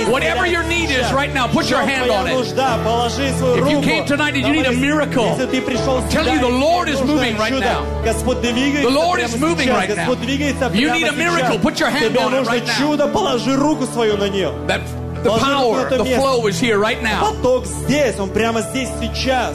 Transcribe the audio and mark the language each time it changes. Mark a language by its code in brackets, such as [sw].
[en] Whatever your need is right now, put your hand on it. [ru] Положи свою [en] руку. If you came tonight, did you need a miracle? [ru] Если ты пришел сюда, [en] tell you the Lord is moving right now. [ru] Господь двигается. [en] The Lord is moving right now. [ru] Господь двигается прямо [en] You need a miracle. Put your hand on it right now. [ru] Чудо, положи руку свою на нее. [en] The power, the flow is here right now. [ru] Поток здесь, он прямо здесь сейчас.